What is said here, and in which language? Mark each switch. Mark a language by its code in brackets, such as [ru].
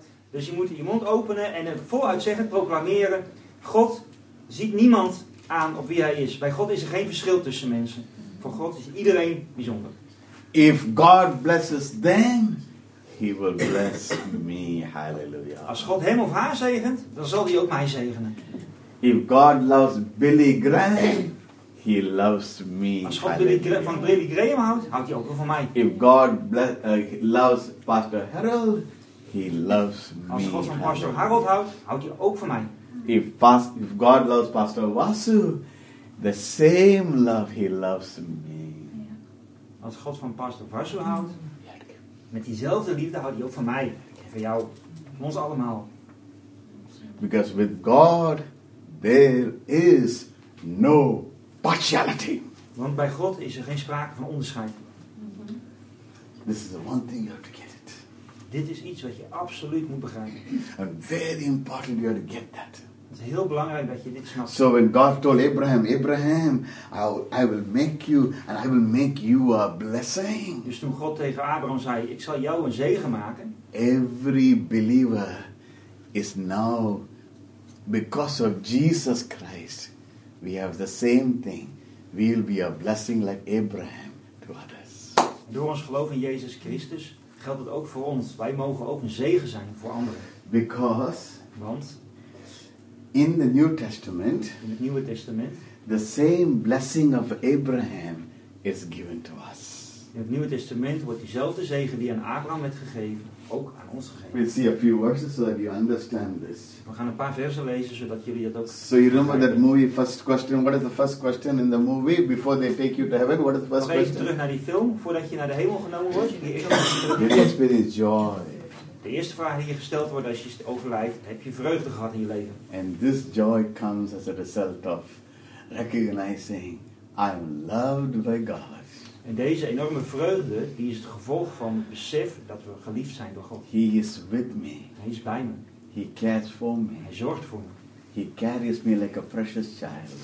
[nl] Dus je moet je mond openen en vooruit zeggen, proclameren. God ziet niemand aan op wie hij is. Bij God is er geen verschil tussen mensen. Voor God is iedereen bijzonder. [en] If God blesses them, he will bless me. Hallelujah. [nl] Als God hem of haar zegent, dan zal hij ook mij zegenen. [en] If God loves Billy Graham, he loves me. [nl] Als God van Billy Graham houdt, houdt hij ook van mij. [en] If God loves Pastor Harold, he loves me. [nl] Als God van Pastor Harold houdt, houdt hij ook van mij. [en] If God loves Pastor Vasu, the same love he loves me. [nl] Als God van Pastor Vasu houdt, met diezelfde liefde houdt hij ook van mij, van jou, van ons allemaal. [en] Because with God there is no partiality. [nl] Want bij God is er geen sprake van onderscheid. [en] This is the one thing you have to get it. [nl] Dit is iets wat je absoluut moet begrijpen. [en] And very important you have to get that. [nl] Het is heel belangrijk dat je dit snapt. [en] So when God told Abraham, Abraham, I will make you and I will make you a blessing. [nl] Dus toen God tegen Abraham zei, ik zal jou een zegen maken. [en] Every believer is now, because of Jesus Christ, we have the same thing. We will be a blessing like Abraham to others. [nl] Door ons geloof in Jezus Christus geldt het ook voor ons. Wij mogen ook een zegen zijn voor anderen. [en] Because. [nl] Want. [en] In the New Testament. [nl] In het Nieuwe Testament. [en] The same blessing of Abraham is given to us. [nl] In het Nieuwe Testament wordt diezelfde zegen die aan Abraham werd gegeven, ook aan ons gegeven. [en] We'll see a few verses so that you understand this. [nl] We gaan een paar versen lezen zodat jullie het ook. [en] So you remember that movie First Question? What is the first question in the movie before they take you to heaven? What is the first question? [nl] Even terug naar die film voordat je naar de hemel genomen wordt. [en] Did you experience joy? [nl] De eerste vraag die je gesteld wordt als je overlijdt, heb je vreugde gehad in je leven? [en] And this joy comes as a result of recognizing I'm loved by God. [nl] En deze enorme vreugde die is het gevolg van het besef dat we geliefd zijn door God. [en] He is with me. [nl] Hij is bij me. [en] He cares for me. [nl] Hij zorgt voor me. [en] He carries me like a precious child.